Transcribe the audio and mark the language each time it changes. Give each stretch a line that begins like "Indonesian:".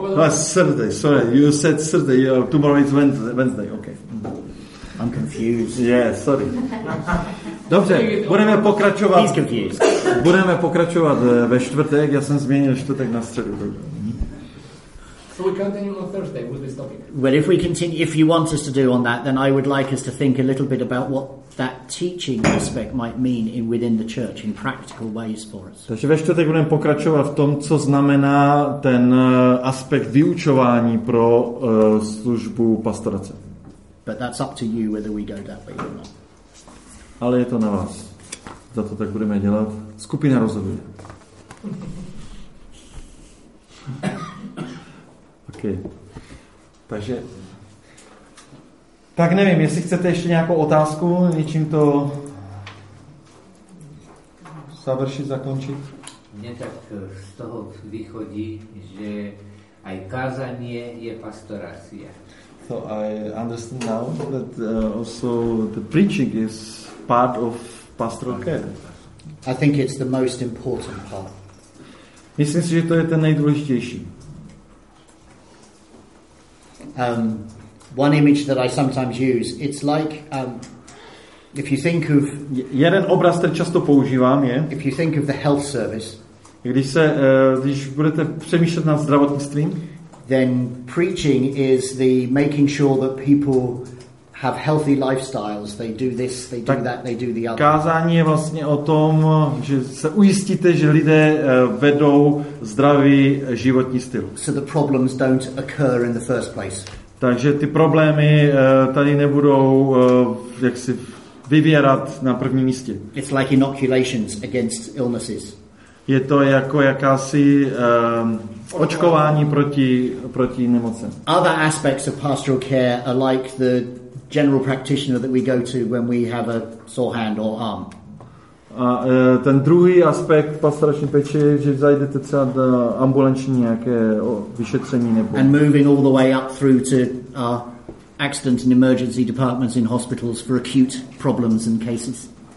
English: Saturday, sorry, you said Saturday, tomorrow is Wednesday, okay. I'm confused. Yeah, sorry.
Czech: Dobře, budeme pokračovat.
English: He's confused.
Czech: Budeme pokračovat ve čtvrtek, já jsem změnil čtvrtek na středu.
English: So we continue on Thursday with this topic. Well, if we continue, if you want us to do on that, then I would like us to think a little bit about what that teaching aspect might mean in within the church in practical ways for us.
Czech: Takže ve čtvrtek budeme pokračovat v tom, co znamená ten aspekt vyučování pro službu pastorace.
English: But that's up to you whether we go that way or not.
Czech: Ale je to na vás. Za to tak budeme dělat. Skupina rozhoduje.
English: OK.
Czech: Takže tak nevím, jestli chcete ještě nějakou otázku, něčím to završit, zakončit.
Slovak: Mně tak z toho vychodí, že aj kázanie je pastorácia.
English: So I understand now that also the preaching is part of pastoral care. I think it's the most important part.
Czech: Myslím si, že to je ten nejdůležitější.
English: One image that I sometimes use, it's like if you think of
Czech: jeden obraz, který často používám, je
English: if you think of the health service,
Czech: když budete přemýšlet nad zdravotnictvím,
English: then preaching is the making sure that people have healthy lifestyles, they do this, they do that, they do the other.
Czech: Kázání je vlastně o tom, že se ujistíte, že lidé vedou zdravý životní styl.
English: So the problems don't occur in the first place.
Czech: Takže ty problémy tady nebudou jaksi vyvěrat na prvním místě.
English: It's like inoculations against illnesses.
Czech: Je to jako jakási očkování proti nemocem.
English: Other aspects of pastoral care are like the general practitioner that we go to when we have a sore hand or arm.
Czech: A ten druhý aspekt pastorační péče je, že zajdete třeba do ambulanční nějaké vyšetření nebo
English: and moving all the way up through to accident and emergency departments in hospitals for acute problems and cases.